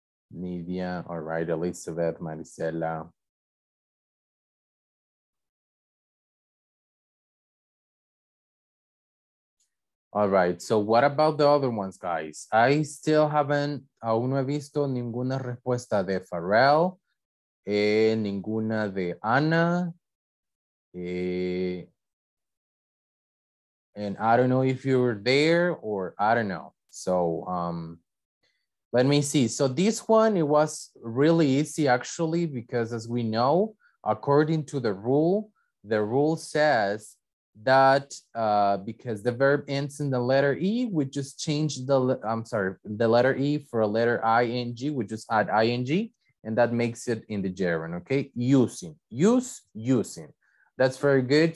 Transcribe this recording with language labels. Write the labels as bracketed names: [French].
[English] Nidia, all right, Elizabeth, Maricela. All right, so what about the other ones, guys? [Spanish] I still haven't, aún no he visto ninguna respuesta de Pharrell, ninguna de Ana. [English] And I don't know if you were there or I don't know. So let me see. So this one, it was really easy actually, because as we know, according to the rule says that because the verb ends in the letter E, we just change the letter E for a letter ING, we just add ING, and that makes it in the gerund, okay? Using. That's very good.